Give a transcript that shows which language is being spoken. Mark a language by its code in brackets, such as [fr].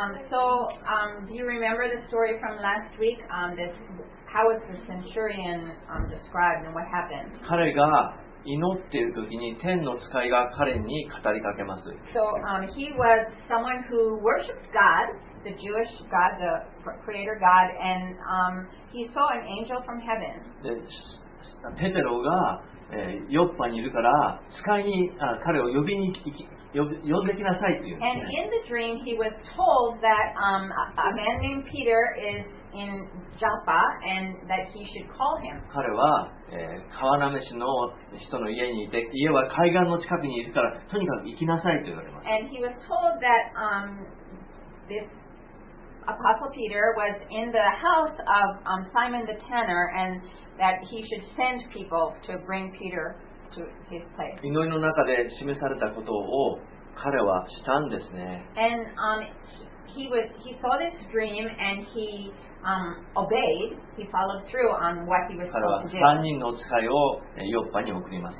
[en] So, do you remember the story from last week? This. How was the centurion, described and what happened? [ja] 彼が祈っている時に天の使いが彼に語りかけます。 [en] So, he was someone who worshipped God, the Jewish God, the creator God, and, he saw an angel from heaven. [ja] で、ペテロが、ヨッパにいるから使いに、彼を呼んできなさいっていう。 [en] And in the dream, he was told that, a man named Peter is. In Joppa, and that he should call him. [ja] 彼は、川なめしの人の家にいて、家は海岸の近くにいるから、とにかく行きなさいと言われました。 [en] And he was told that, this Apostle Peter was in the house of, Simon the Tanner, and that he should send people to bring Peter to his place. [ja] 祈りの中で示されたことを彼はしたんですね。 [en] And, he saw this dream, and he. Obeyed. He followed through on what he was told to do. [ja] 彼は3人の使いをヨッパに送ります。